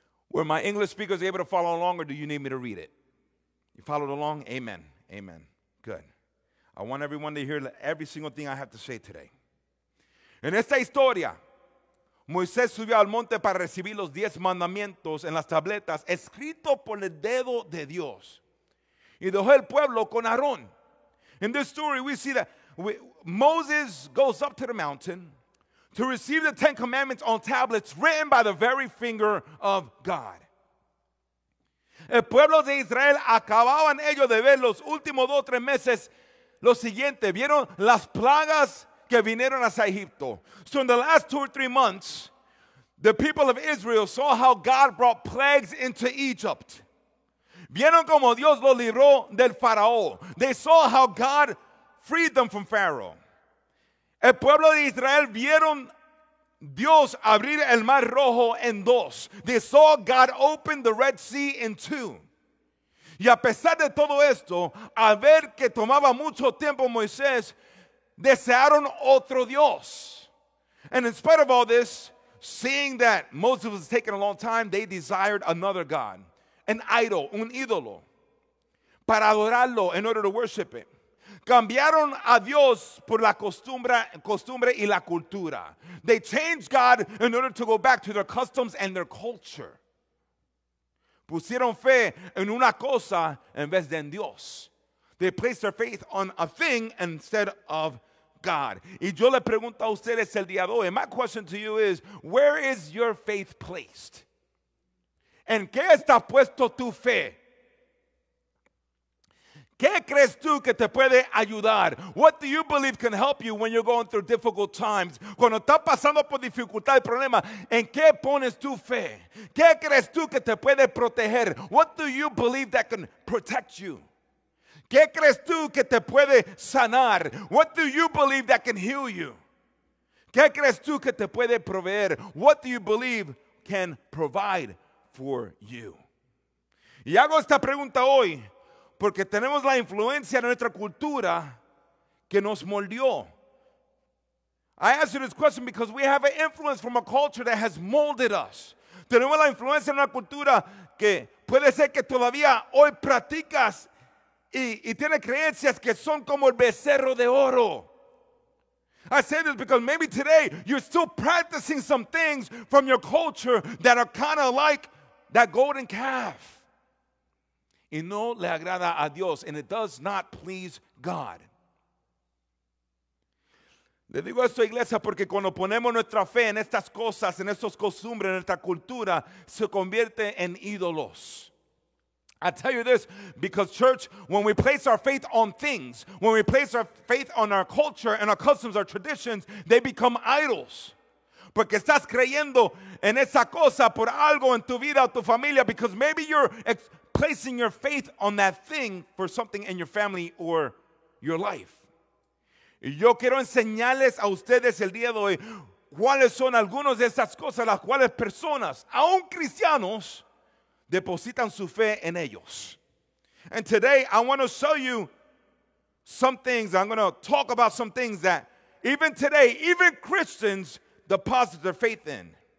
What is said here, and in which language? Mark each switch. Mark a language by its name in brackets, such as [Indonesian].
[English] Were my English speakers able to follow along, or do you need me to read it? You followed along? Amen. Amen. Good. I want everyone to hear every single thing I have to say today. [Spanish] En esta historia, Moisés subió al monte para recibir los 10 mandamientos en las tabletas escritos por el dedo de Dios. Y dejó el pueblo con Aarón. [English] In this story, we see that Moses goes up to the mountain to receive the 10 commandments on tablets written by the very finger of God. [Spanish] El pueblo de Israel acababan ellos de ver los últimos 2-3 meses lo siguiente. Vieron las plagas que vinieron hacia Egipto. [English] So in the last 2-3 months, the people of Israel saw how God brought plagues into Egypt. [Spanish] Vieron como Dios lo libró del faraón. [English] They saw how God freed them from Pharaoh. [Spanish] El pueblo de Israel vieron Dios abrir el mar rojo en dos. [English] They saw God open the Red Sea in two. [Spanish] Y a pesar de todo esto, a ver que tomaba mucho tiempo Moisés, desearon otro Dios. [English] And in spite of all this, seeing that Moses was taking a long time, they desired another God, an idol, [Spanish] un ídolo, para adorarlo [English] in order to worship it. [Spanish] Cambiaron a Dios por la costumbre y la cultura. [English] They changed God in order to go back to their customs and their culture. [Spanish] Pusieron fe en una cosa en vez de en Dios. [English] They placed their faith on a thing instead of God. [Spanish] Y yo le pregunto a ustedes el día de hoy. [English] My question to you is, where is your faith placed? [Spanish] ¿En qué está puesto tu fe? ¿Qué crees tú que te puede ayudar? [English] What do you believe can help you when you're going through difficult times? [Spanish] Cuando estás pasando por dificultad y problema, ¿en qué pones tu fe? ¿Qué crees tú que te puede proteger? [English] What do you believe that can protect you? [Spanish] ¿Qué crees tú que te puede sanar? [English] What do you believe that can heal you? [Spanish] ¿Qué crees tú que te puede proveer? [English] What do you believe can provide for you? [Spanish] Y hago esta pregunta hoy porque tenemos la influencia de nuestra cultura que nos moldeó. [English] I ask you this question because we have an influence from a culture that has molded us. [Spanish] Tenemos la influencia de una cultura que puede ser que todavía hoy practicas y tiene creencias que son como el becerro de oro. [English] I say this because maybe today you're still practicing some things from your culture that are kind of like that golden calf. [Spanish] Y no le agrada a Dios. [English] And it does not please God. [Spanish] Le digo esto, iglesia, porque cuando ponemos nuestra fe en estas cosas, en estas costumbres, en nuestra cultura, se convierte en ídolos. [English] I tell you this because, church, when we place our faith on things, when we place our faith on our culture and our customs, our traditions, they become idols. [Spanish] Porque estás creyendo en esa cosa por algo en tu vida o tu familia, [English] because maybe you're placing your faith on that thing for something in your family or your life. [Spanish] Y yo quiero enseñarles a ustedes el día de hoy cuáles son algunas de esas cosas las cuales personas, aun cristianos, depositan su fe en ellos. [English] And today I want to show you some things. I'm going to talk about some things that even today, even Christians deposit their faith in.